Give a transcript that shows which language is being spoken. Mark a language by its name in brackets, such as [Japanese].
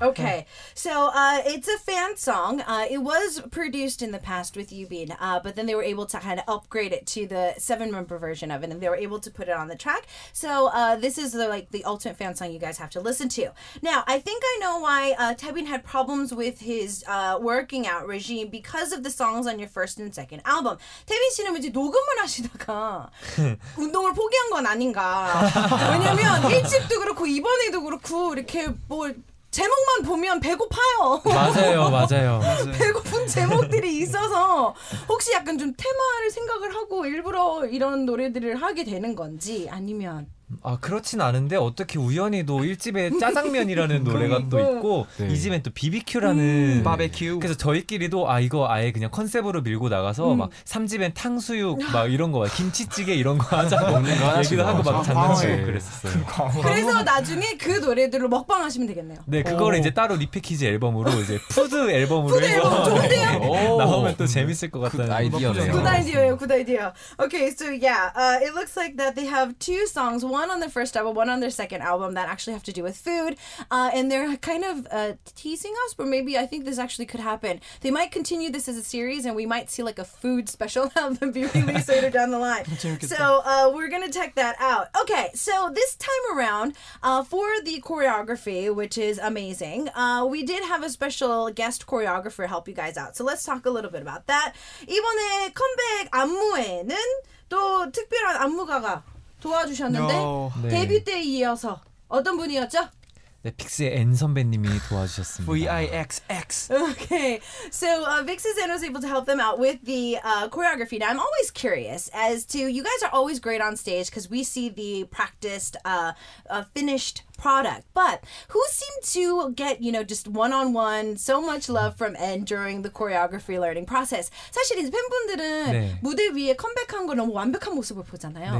[English] Okay, so it's a fan song. It was produced in the past with Yubin, but then they were able to kind of upgrade it to the 7-member version of it, and they were able to put it on the track. So this is the like the ultimate fan song you guys have to listen to. Now, I think I know why Taebin had problems with his working out regime because of the songs on your first and second album. [Korean] Taebin 씨는 이제 녹음을 하시다가 운동을 포기한 건 아닌가? 왜냐면 1집도 그렇고 이번에도 그렇고 이렇게 뭐 제목만 보면 배고파요. 맞아요, 맞아요. 배고픈 제목들이 있어서 혹시 약간 좀 테마를 생각을 하고 일부러 이런 노래들을 하게 되는 건지 아니면 아 그렇진 않은데 어떻게 우연히도 1집에 짜장면이라는 노래가 또 있고 네. 2집엔 또 비비큐라는 바베큐 그래서 저희끼리도 아 이거 아예 그냥 컨셉으로 밀고 나가서 막 3집엔 탕수육 막 이런 거 김치찌개 이런 거 하자 먹는 거 얘기도 하고 막 장난치고 그랬었어요. 그래서 나중에 그 노래들로 먹방 하시면 되겠네요. 네 그걸 이제 따로 리패키지 앨범으로 이제 푸드 앨범으로 푸드 앨범 좋은데요? 나오면 또 재밌을 것 같다는 굿 아이디어네요. 굿 아이디어예요. 굿 아이디어. [English] Okay, so yeah, it looks like that they have two songs. One on their first album, one on their second album that actually have to do with food. And they're kind of teasing us, but maybe I think this actually could happen. They might continue this as a series and we might see like a food special album be released later down the line. So we're going to check that out. Okay, so this time around, for the choreography, which is amazing, we did have a special guest choreographer help you guys out. So let's talk a little bit about that. [Korean] 이번에 컴백 안무에는 또 특별한 안무가가 도와주셨는데 네. 데뷔 때 이어서 어떤 분이었죠? 네, 픽스의 N 선배님이 도와주셨습니다. [English] VIXX. Okay, so Vix and N was able to help them out with the choreography. Now, I'm always curious as to, you guys are always great on stage because we see the practiced, finished product, but who seemed to get, you know, just one-on-one so much love from N during the choreography learning process? [Korean] 사실 이제 팬분들은 네. 무대 위에 컴백한 거 너무 완벽한 모습을 보잖아요.